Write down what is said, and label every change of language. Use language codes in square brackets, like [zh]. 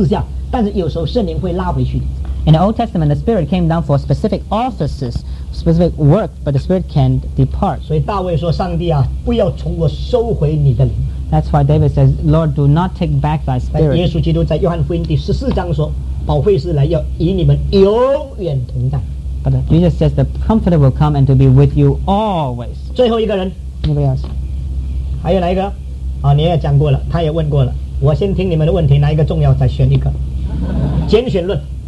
[zh] 对，就有圣灵赐下是为某一种特殊的职分，或者神特别的感动赐下，但是有时候圣灵会拉回去。 [en] In the Old Testament, the Spirit came down for specific offices, specific work, but the Spirit can depart. [zh] 所以大卫说, 上帝啊, 不要从我收回你的灵。 [en] That's why David says, Lord, do not take back thy Spirit. [zh] 耶稣基督在约翰福音第14章说, 保惠师来要与你们永远同在。 [en] But Jesus says, the Comforter will come and to be with you always. [zh] 最后一个人, [en] anybody else? [zh] 还有哪一个? 啊, 你也讲过了, 他也问过了, 我先听你们的问题, 哪一个重要, 再选一个, 拣选论。